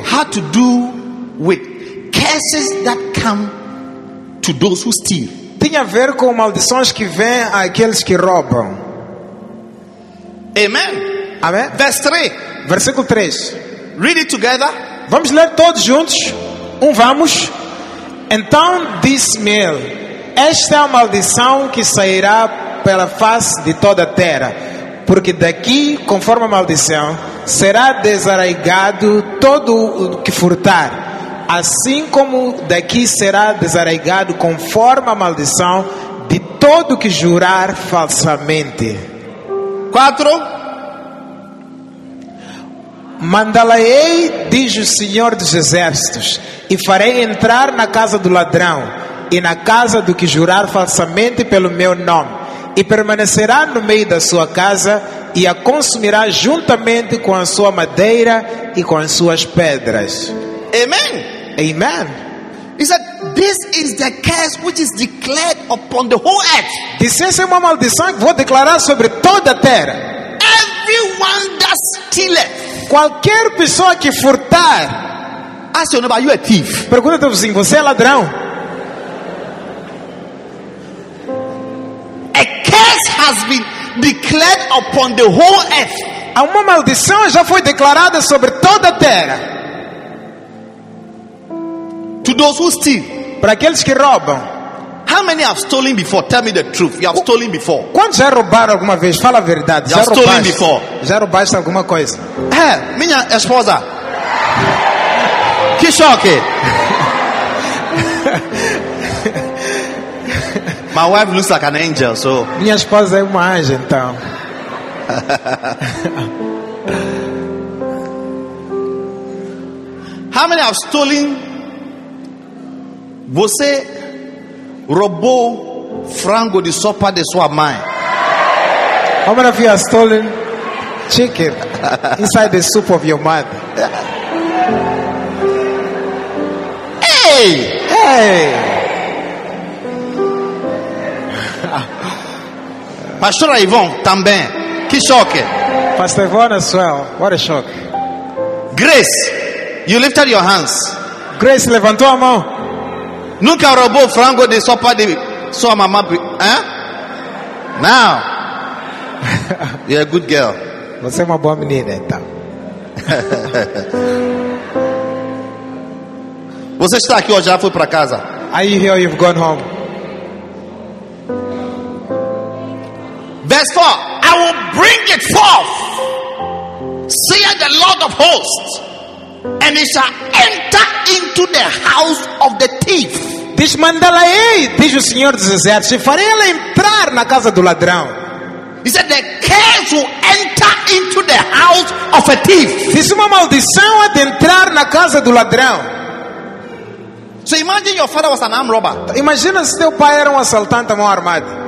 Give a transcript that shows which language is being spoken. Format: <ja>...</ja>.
<en>Had to do with curses that come to those who steal.</en> <pt>Tinha a ver com maldições que vêm àqueles que roubam.</pt> <en>Amen.</en> <pt>Amém.</pt> <en>Verse 3.</en> <pt>Versículo 3.</pt> <en>Read it together.</en> <pt>Vamos ler todos juntos. Vamos. Então disse-me ele: esta é a maldição que sairá pela face de toda a terra, porque daqui, conforme a maldição, será desarraigado todo o que furtar, assim como daqui será desarraigado, conforme a maldição, de todo o que jurar falsamente. 4. Mandá-la-ei, diz o Senhor dos Exércitos, e farei entrar na casa do ladrão e na casa do que jurar falsamente pelo meu nome, e permanecerá no meio da sua casa e a consumirá juntamente com a sua madeira e com as suas pedras.</pt> <en>Amen. Amen. He said, this is the curse which is declared upon the whole earth.</en> <pt>Disse, essa é uma maldição que vou declarar sobre toda a terra.</pt> <en>Everyone that stealeth.</en> <pt>Qualquer pessoa que furtar.</pt> <en>Ask your neighbor, you a thief?</en> <pt>Pergunta teu vizinho, você é ladrão?</pt> <en>A curse has been declared upon the whole earth.</en> <pt>Uma maldição já foi declarada sobre toda a terra.</pt> <en>To those who steal.</en> <pt>Para aqueles que roubam.</pt> <en>How many have stolen before? Tell me the truth. You have stolen before.</en> <pt>Quando já roubaram alguma vez? Fala a verdade.</pt> <en>You have stolen before.</en> <pt>Já roubaste alguma coisa? É, minha esposa. Que choque.</pt> <en>My wife looks like an angel, so.</en> <pt>Minha esposa é uma anjo, então.</pt> <en>How many have stolen?</en> <pt>Você roubou frango de sopa de sua mãe.</pt> <en>How many of you have stolen chicken inside the soup of your mother? Hey! Hey!</en> <pt>Pastor Ivon, também. Que choque.</pt> <en>Pastor Ivon as well. What a shock. Grace, you lifted your hands.</en> <pt>Grace levantou a mão. Nunca roubou frango de sopa de sua mamã, hein?</pt> <en>Now, you're a good girl.</en> <pt>Você é uma boa menina, então. Você está aqui ou já foi para casa?</pt> <en>Are you here or you've gone home? Verse 4. I will bring it forth, saith the Lord of hosts, and it shall enter into the house of the thief.</en> <pt>Diz, mandá-la-ei, diz o Senhor dos Exércitos, e farei ela entrar na casa do ladrão.</pt> <en>He said, the curse will enter into the house of a thief.</en> <pt>Diz, uma maldição há de entrar na casa do ladrão.</pt> <en>So imagine your father was an armed robber.</en> <pt>Imagina se teu pai era um assaltante à mão armada.</pt>